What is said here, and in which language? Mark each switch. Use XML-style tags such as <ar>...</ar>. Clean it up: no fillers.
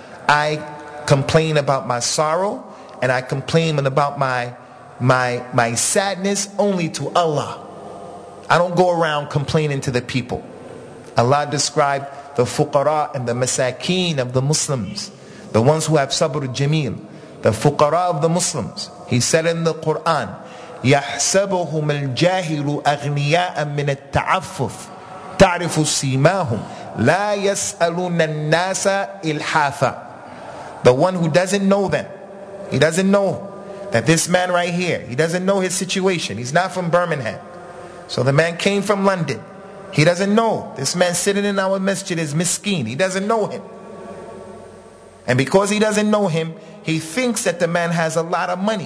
<en>I complain about my sorrow and I complain about my sadness only to Allah. I don't go around complaining to the people. Allah described the fuqara and the masakeen of the Muslims, the ones who have sabr jameel, the fuqara of the Muslims. He said in the Quran,</en> <ar>يحسبهم الجاهل أغنياء من التعفف تعرف سيماهم لا يسألون الناس إلحافا.</ar> <en>The one who doesn't know them, he doesn't know that this man right here, he doesn't know his situation, he's not from Birmingham. So the man came from London. He doesn't know. This man sitting in our masjid is miskeen. He doesn't know him. And because he doesn't know him, he thinks that the man has a lot of money.</en>